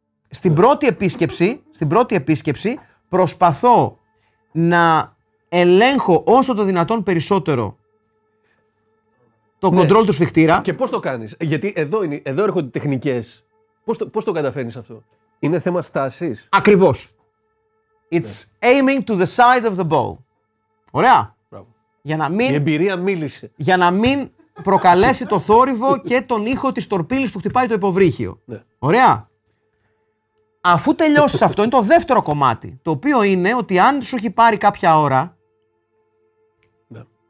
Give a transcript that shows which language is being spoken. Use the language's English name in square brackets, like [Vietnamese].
[Greek] Στην πρώτη επίσκεψη, προσπαθώ να ελέγχω όσο το δυνατόν περισσότερο το control του σφιχτήρα. Και πώς το κάνεις? Γιατί εδώ έρχονται τεχνικές. Πώς το καταφέρνεις αυτό? Είναι θέμα στάσης. Ακριβώς. [English] It's aiming to the side of the bowl. [Greek] Ωραία. Για να μην, η εμπειρία μίλησε. Για να μην προκαλέσει το θόρυβο και τον ήχο της τορπίλης που χτυπάει το υποβρύχιο. Ναι. Ωραία. Αφού τελειώσεις αυτό, είναι το δεύτερο κομμάτι. Το οποίο είναι ότι αν σου έχει πάρει κάποια ώρα... Ναι.